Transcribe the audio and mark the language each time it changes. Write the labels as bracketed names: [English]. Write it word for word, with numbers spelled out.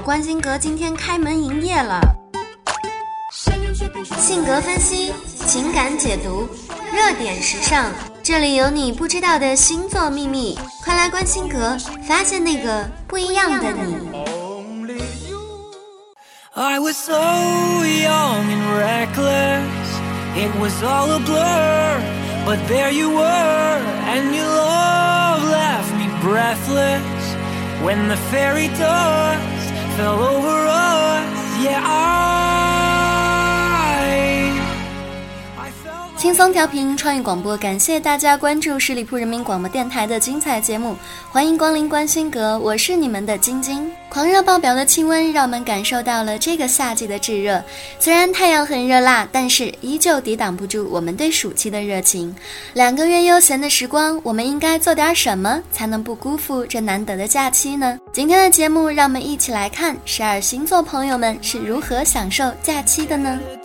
[Chinese] 关心阁今天开门营业了。性格分析，情感解读，热点时尚，这里有你不知道的星座秘密，快来关心阁，发现那个不一样的你。 [English] I was so young and reckless, it was all a blur, but there you were, and your love left me breathless, when the fairy dust fell over us, yeah, I, I fell like... [Chinese] 轻松调频创意广播，感谢大家关注十里铺人民广播电台的精彩节目，欢迎光临关心阁，我是你们的晶晶。狂热爆表的气温让我们感受到了这个夏季的炙热，虽然太阳很热辣，但是依旧抵挡不住我们对暑期的热情。两个月悠闲的时光，我们应该做点什么才能不辜负这难得的假期呢？今天的节目让我们一起来看十二星座朋友们是如何享受假期的呢？